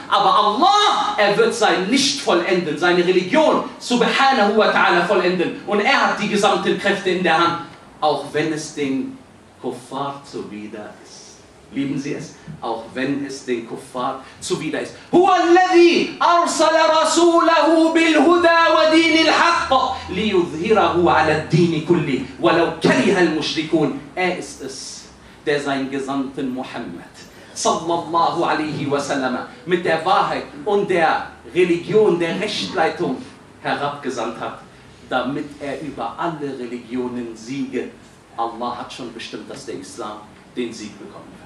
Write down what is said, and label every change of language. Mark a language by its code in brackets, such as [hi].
[de] Aber Allah, er wird sein Licht vollenden, seine Religion, subhanahu wa ta'ala, vollenden. Und er hat die gesamten Kräfte in der Hand, auch wenn es den Kuffar zuwider ist. Lieben Sie es, auch wenn es den Kuffar zuwider ist. [ar] هو الذي أرسل رسوله بالهدى ودين الحق ليظهره على الدين كله ولو كره المشركون. [de] Er ist es, der seinen Gesandten Muhammad sallallahu alaihi wasallam mit der Wahrheit und der Religion, der Rechtleitung herabgesandt hat, damit er über alle Religionen siege. Allah hat schon bestimmt, dass der Islam den Sieg bekommt.